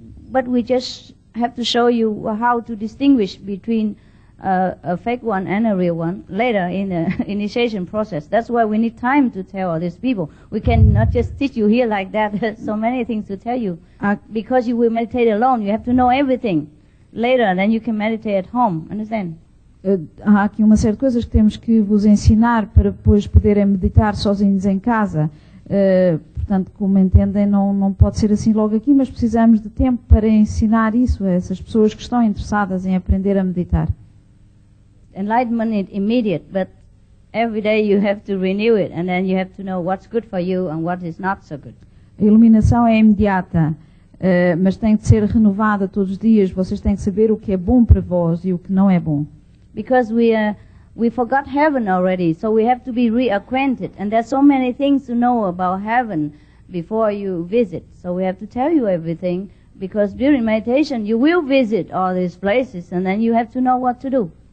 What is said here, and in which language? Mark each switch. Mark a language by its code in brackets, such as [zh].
[en] But we just have to show you how to distinguish between a fake one and a real one later in the initiation process. That's why we need time to tell all these people. We cannot just teach you here like that. So many things to tell you. Because you will meditate alone, you have to know everything. Later, then you can meditate at home. Understand? [pt] Há aqui uma série de coisas que temos que vos ensinar para depois poderem meditar sozinhos em casa. Portanto, como entendem, não pode ser assim logo aqui, mas precisamos de tempo para ensinar isso a essas pessoas que estão interessadas em aprender a meditar. [en] Enlightenment is immediate, but every day you have to renew it and then you have to know what's good for you and what is not so good. [pt] A iluminação é imediata. Mas tem de ser renovada todos os dias. Vocês têm de saber o que é bom para vós e o que não é bom. [en] Because we forgot heaven already, so we have to be reacquainted. And there's so many things to know about heaven before you visit. So we have to tell you everything, because during meditation you will visit all these places, and then you have to know what to do.